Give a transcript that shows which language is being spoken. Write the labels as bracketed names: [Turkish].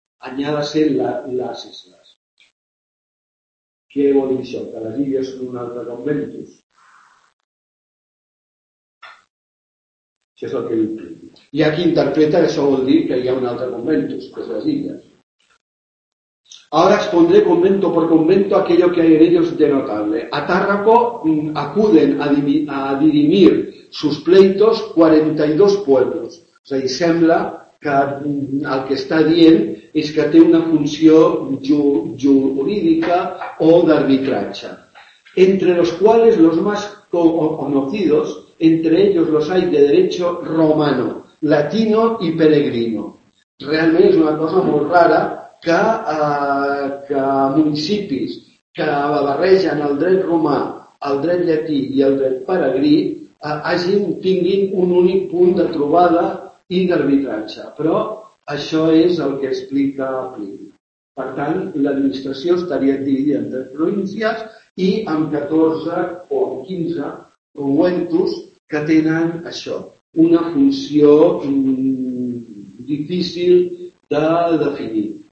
[Spanish] Añádase las islas. [Catalan] Què vol dir això? Que les illes són un altre conventus? Això és el que diu. Hi ha qui interpreta que això vol dir que hi ha un altre conventus, que és les illes. [Spanish] Ahora expondré convento por convento aquello que hay en ellos de notable. A Tárraco acuden a dirimir sus pleitos 42 pueblos. O sea, y [Catalan] sembla que el que está dient és que té una funció jurídica o d'arbitratge. [Spanish] Entre los cuales los más conocidos, entre ellos los hay de derecho romano, latino y peregrino. [Catalan] Realment és una cosa molt rara que municipis que barregen el dret romà, el dret llatí i el dret peregrí tinguin un únic punt de trobada i d'arbitratge. Però això és el que explica Plini. Per tant, l'administració estaria dividida en 3 províncies i en 14 o en 15 conventus que tenen això, una funció difícil de definir.